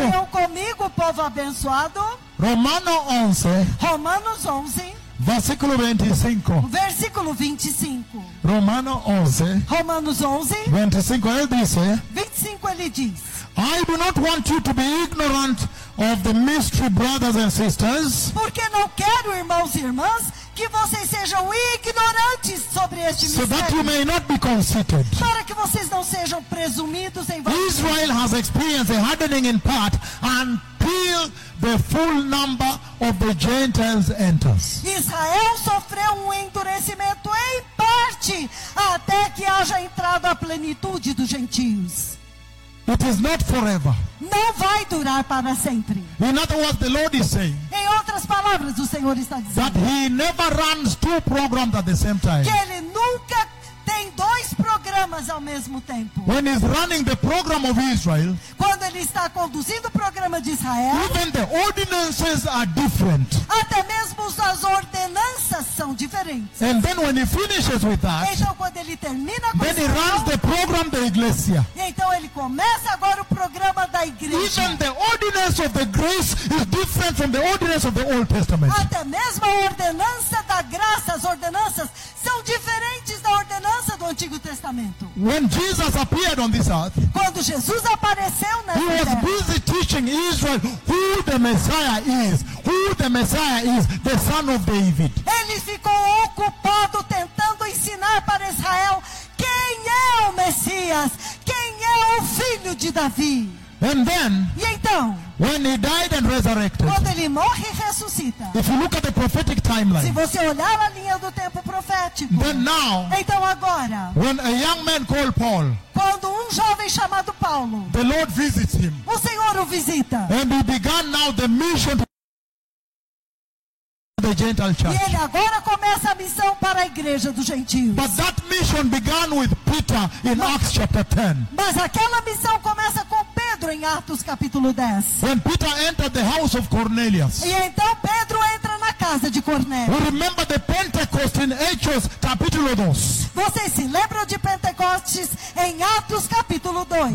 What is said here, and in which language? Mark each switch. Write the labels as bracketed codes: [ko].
[pt] Leiam comigo, povo abençoado. Romanos 11. Versículo 25. Versículo 25. Romano 11. Romanos 11. 25 ele diz. 25 ele diz. [en] I do not want you to be ignorant of the mystery, brothers and sisters. [pt] Porque não quero, irmãos e irmãs, que vocês sejam ignorantes sobre este mistério. [en] So that you may not be conceited. [pt] Para que vocês não sejam presumidos em vocês. [en] Israel has experienced a hardening in part until the full number of the Gentiles enters. [pt] Israel sofreu endurecimento em parte até que haja entrado a plenitude dos gentios. [en] It is not forever. [pt] Não vai durar para sempre. [en] In other words, the Lord is saying, [pt] em outras palavras, o Senhor está dizendo, [en] that he never runs two programs at the same time. [pt] Que ele nunca tem dois programas ao mesmo tempo. [en] When he's running the program of Israel, [pt] quando ele está conduzindo o programa de Israel, [en] even the ordinances are different. [pt] Até mesmo as ordenanças são diferentes. [en] And then when he finishes with that, [pt] então quando ele termina com [en] then he runs the program [pt] da igreja. Então ele começa agora o programa da igreja. [en] Even the ordinance of the grace is different from the ordinance of the Old Testament. [pt] Até mesmo a ordenança da graça, as ordenanças são diferentes da ordenança do Antigo Testamento. [en] When Jesus appeared on this earth, [pt] quando Jesus apareceu na terra, [en] he was busy teaching Israel who the Messiah is, who the Messiah is, the Son of David. [pt] Ele ficou ocupado tentando ensinar para Israel quem é o Messias, quem é o filho de Davi. [en] And then, [pt] e então, [en] when he died and resurrected, [pt] quando ele morre e ressuscita, [en] if you look at the prophetic timeline, [pt] se você olhar a linha do tempo profético, [en] then now, [pt] então agora, [en] when a young man called Paul, [pt] quando jovem chamado Paulo, [en] the Lord visits him, [pt] o Senhor o visita, [en] and he began now the mission the Gentile church. [pt] E ele agora começa a missão para a igreja dos gentios. [en] But that mission began with Peter in Acts chapter 10. [pt] Mas aquela missão começa com Pedro em Atos capítulo 10. [en] When Peter entered the house of Cornelius. [pt] E então Pedro entra na casa de Cornélio. [en] Remember the Pentecost in Acts chapter 2. [pt] Vocês se lembram de Pentecostes em Atos capítulo 2?